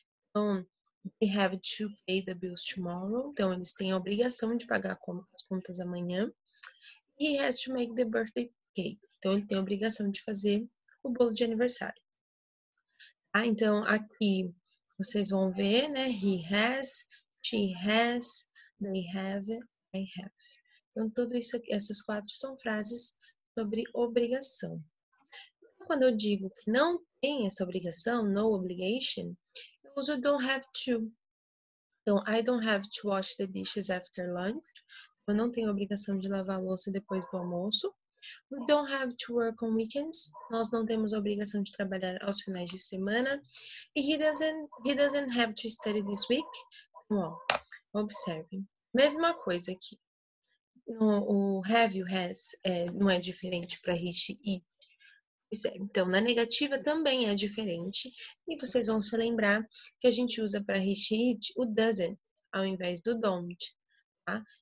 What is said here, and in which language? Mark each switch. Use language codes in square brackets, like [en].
[en] Então, they have to pay the bills tomorrow. [pt] Então, eles têm a obrigação de pagar as contas amanhã. He has to make the birthday cake. Então, ele tem a obrigação de fazer o bolo de aniversário. Ah, então, aqui vocês vão ver, né? [en] He has, she has, they have, I have. [pt] Então, tudo isso aqui, essas quatro são frases sobre obrigação. Então, quando eu digo que não tem essa obrigação, no obligation, eu uso don't have to. [en] Então, I don't have to wash the dishes after lunch. [pt] Eu não tenho obrigação de lavar a louça depois do almoço. We don't have to work on weekends. Nós não temos a obrigação de trabalhar aos finais de semana. [en] E he doesn't have to study this week. [pt] Well, observe. Mesma coisa aqui. O have e o has não é diferente para he, she, it. Então, na negativa também é diferente. E vocês vão se lembrar que a gente usa para he, she, it o doesn't ao invés do don't. Tá?